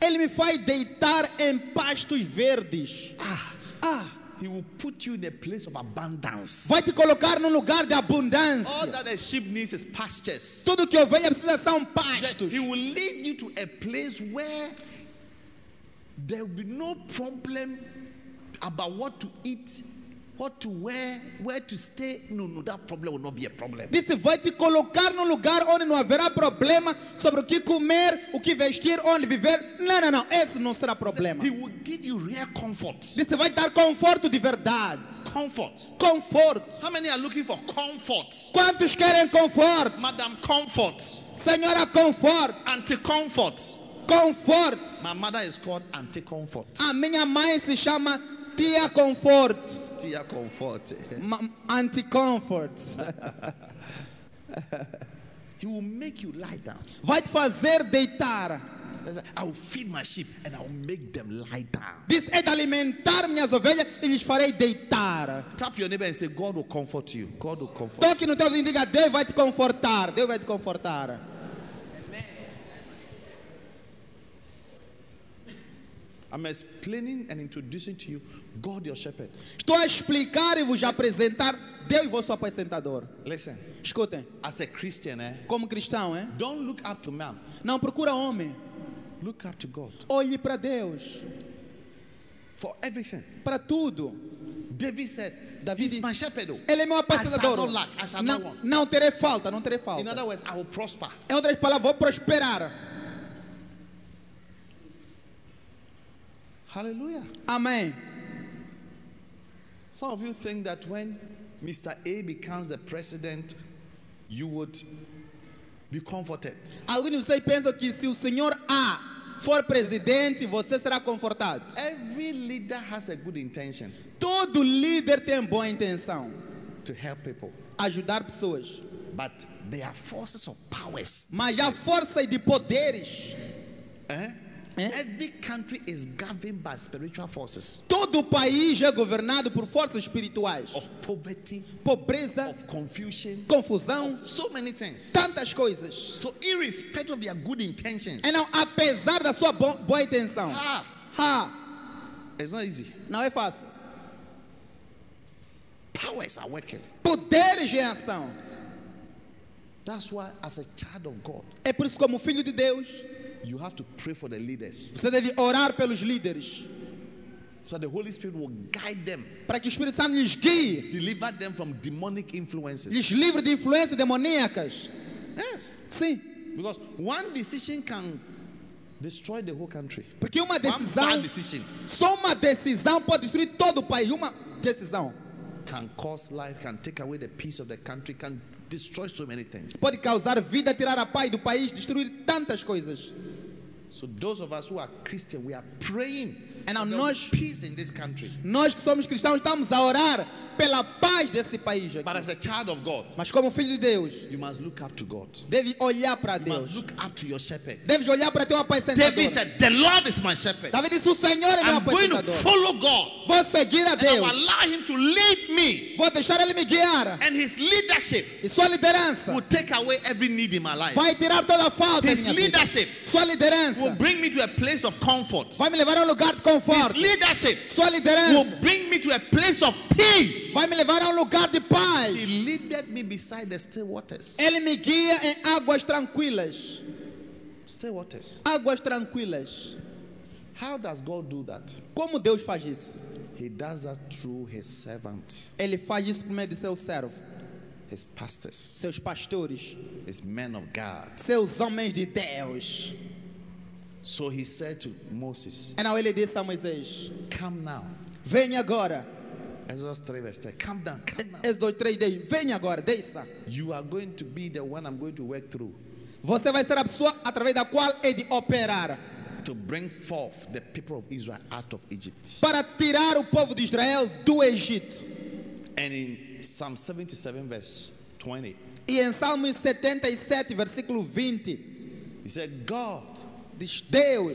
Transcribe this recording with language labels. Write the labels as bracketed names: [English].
[Portuguese] Ele me faz deitar em pastos verdes. [English] He will put you in a place of abundance. [Portuguese] Vai te colocar num lugar de abundância. [English] All that a sheep needs is pastures. [Portuguese] Tudo que ovelha precisa são pastos. [English] He will lead you to a place where there will be no problem about what to eat. What to wear, where to stay, no, that problem will not be a problem. [Portuguese] Disse, vai te colocar num lugar onde não haverá problema sobre o que comer, o que vestir, onde viver. Não, esse não será problema. [English] He will give you real comfort. [Portuguese] Disse, vai dar conforto de verdade. [English] Comfort. Comfort. How many are looking for comfort? [Portuguese] Quantos querem comfort? [English] Madam Comfort. [Portuguese] Senhora Comfort. [English] Anti-comfort. Comfort. My mother is called Anti-comfort. [Portuguese] A minha mãe se chama Tia Comfort. Tia comfort. [English] Anti-comfort. He will make you lie down. [Portuguese] Vai te fazer deitar. [English] I will feed my sheep and I will make them lie down. [Portuguese] This é de alimentar minhas ovelhas e lhes farei deitar. [English] Tap your neighbor and say, God will comfort you. God will comfort. [Portuguese] Toque no teu vizinho e diga, Deus vai te confortar. Deus vai te confortar. [English] I'm explaining and introducing to you God your shepherd. [Portuguese] Estou a explicar e vos apresentar Deus vosso apacentador. [English] Listen. [Portuguese] Escutem. [English] As a Christian, [Portuguese] como cristão, [English] don't look up to man. [Portuguese] Não procura homem. [English] Look up to God. [Portuguese] Olhe para Deus. [English] For everything. [Portuguese] Para tudo. [English] David said, David, he's my shepherd. [Portuguese] Ele é meu apacentador. [English] I shall not lack, I shall not want. [Portuguese] Não terei falta, não terei falta. [English] In other words, I will prosper. [Portuguese] Em outras palavras, vou prosperar. [English] Hallelujah. [Portuguese] Amém. [English] Some of you think that when Mr. A becomes the president, you would be comforted. [Portuguese] Alguns vocês pensam que se o senhor A for presidente, você será confortado. [English] Every leader has a good intention. [Portuguese] Todo líder tem boa intenção. [English] To help people. [Portuguese] Ajudar pessoas. [English] But there are forces of powers. [Portuguese] Mas há forças de poderes. [English] Every country is governed by spiritual forces. [Portuguese] Todo país é governado por forças espirituais. [English] Of poverty, [Portuguese] pobreza, [English] of confusion, [Portuguese] confusão, [English] of so many things. [Portuguese] Tantas coisas. [English] So irrespective of your good intentions. [Portuguese] E não, apesar da sua boa intenção. [English] Ha. It's not easy. [Portuguese] Não é fácil. [English] Powers are working. [Portuguese] Poderes em ação. [English] That's why as a child of God. [Portuguese] É por isso como filho de Deus, [English] you have to pray for the leaders. [Portuguese] Você deve orar pelos líderes. [English] So the Holy Spirit will guide them. [Portuguese] Para que o Espírito Santo lhes guie. [English] Deliver them from demonic influences. [Portuguese] Lhes livre de influências demoníacas. [English] Yes. [Portuguese] Sim. [English] Because one decision can destroy the whole country. [Portuguese] Porque uma decisão. [English] One bad decision. [Portuguese] Só uma decisão pode destruir todo o país. Uma decisão. [English] Can cause life, can take away the peace of the country, can destroy so many things. [Portuguese] Pode causar vida, tirar a paz do país, destruir tantas coisas. [English] So those of us who are Christian, we are praying and for [Portuguese] nós, [English] peace in this country. [Portuguese] Nós que somos cristãos estamos a orar pela paz desse país aqui. [English] But as a child of God, [Portuguese] mas como filho de Deus, [English] you must look up to God. [Portuguese] Deve olhar para Deus. [English] You must look up to your shepherd. [Portuguese] Deve olhar para teu apacentador. [English] David said, "The Lord is my shepherd." [Portuguese] Davi disse, o Senhor é meu apacentador. [English] I'm going to follow God. [Portuguese] Vou seguir a Deus. [English] And I will allow Him to lead me. [Portuguese] Vou deixar Ele me guiar. [English] And His leadership, [Portuguese] e sua liderança, [English] will take away every need in my life. [Portuguese] Vai tirar toda a falta. [English] His leadership, [Portuguese] sua liderança, [English] will bring me to a place of comfort. [Portuguese] Vai me levar a um lugar de conforto. [English] His leadership, [Portuguese] sua liderança, [English] will bring me to a place of peace. [Portuguese] Vai me levar a um lugar de paz. [English] He leaded me beside the still waters. [Portuguese] Ele me guia em águas tranquilas. [English] Still waters. [Portuguese] Águas tranquilas. [English] How does God do that? [Portuguese] Como Deus faz isso? [English] He does that through His servant. [Portuguese] Ele faz isso por meio de seu servo. [English] His pastors. [Portuguese] Seus pastores. [English] His men of God. [Portuguese] Seus homens de Deus. [English] So He said to Moses. [Portuguese] E now ele disse a Moisés. [English] Come now. [Portuguese] Venha agora. [English] Exodus 3 verse 10. Calm down, calm down. Exodus 3 days. [Portuguese] Venha agora, deixa. [English] You are going to be the one I'm going to work through. [Portuguese] Você vai ser a pessoa através da qual é de operar. [English] To bring forth the people of Israel out of Egypt. [Portuguese] Para tirar o povo de Israel do Egito. [English] And in Psalm 77 verse 20. [Portuguese] E em Salmo 77 versículo 20. [English] He said, God. [Portuguese] Deus,